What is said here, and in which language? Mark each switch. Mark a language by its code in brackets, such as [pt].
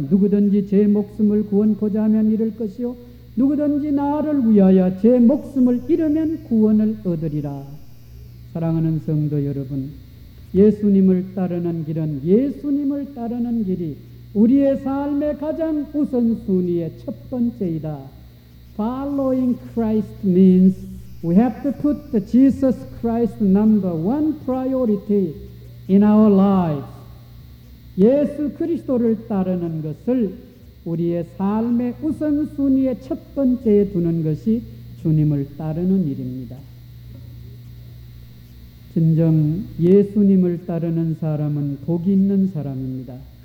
[ko] 누구든지 제 목숨을 구원코자 하면 잃을 것이요 누구든지 나를 위하여 제 목숨을 잃으면 구원을 얻으리라. 사랑하는 성도 여러분, 예수님을 따르는 길은 예수님을 따르는 길이 우리의 삶의 가장 우선순위의 첫 번째이다. [en] Following Christ means we have to put the Jesus Christ number one priority in our lives. [ko] 예수 그리스도를 따르는 것을 우리의 삶의 우선순위의 첫 번째에 두는 것이 주님을 따르는 일입니다. 진정 예수님을 따르는 사람은 복이 있는 사람입니다.